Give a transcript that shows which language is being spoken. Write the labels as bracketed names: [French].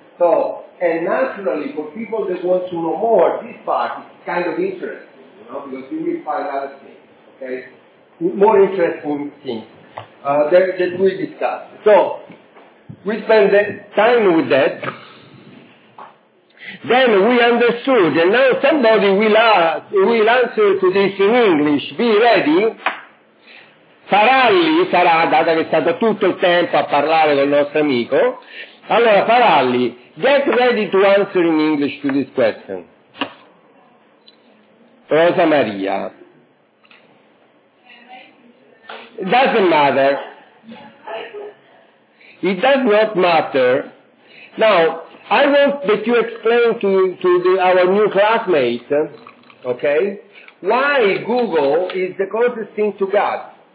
[English] So, and naturally, for people that want to know more, this part is kind of interesting, you know, because you will find other things, okay? More interesting things that we discuss. So, we spend the time with that. Then we understood, and now somebody will answer to this in English. Be ready. [Italian] Faralli sarà, data che è stato tutto il tempo a parlare col nostro amico. [English] Allora, Faralli, get ready to answer in English to this question. Rosa Maria. Doesn't matter. It does not matter. Now, I want that you explain to our new classmate, okay, why Google is the closest thing to God.